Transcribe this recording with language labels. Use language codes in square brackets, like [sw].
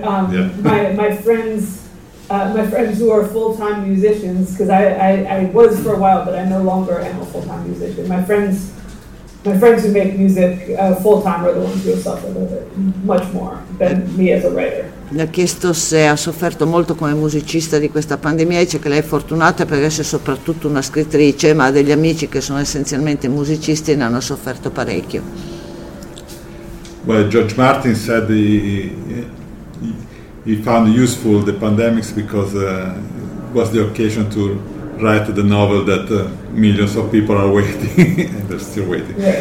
[en] My friends who are full-time musicians, because I was for a while, but I no longer am a full-time musician. My friends who make music full-time are the ones who have suffered much more than me as a writer. [it] Mi ha chiesto se ha sofferto molto come musicista di questa pandemia, dice che lei è fortunata perché è soprattutto una scrittrice, ma ha degli amici che sono essenzialmente musicisti e ne hanno sofferto parecchio. [en] Well, George Martin said he found useful the pandemics because was the occasion to write the novel that millions of people are waiting and they're still waiting.